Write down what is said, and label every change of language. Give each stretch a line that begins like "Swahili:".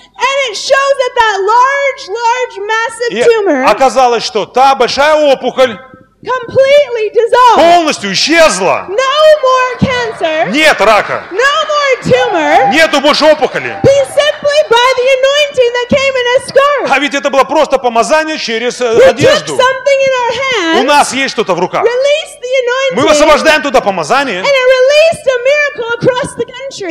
English: And it shows that that large, large, massive tumor.
Russian: И оказалось, что та большая опухоль
English: completely dissolved.
Russian: Полностью исчезла.
English: No more cancer.
Russian: Нет рака.
English: No more tumor.
Russian: Нету больше опухоли.
English: He simply by the anointing that came in a scarf.
Russian: А ведь это было просто помазание через одежду.
English: We took something in our hand.
Russian: У нас есть что-то в руках.
English: Released the anointing.
Russian: Мы высвобождаем туда помазание.
English: And it released a miracle across the country.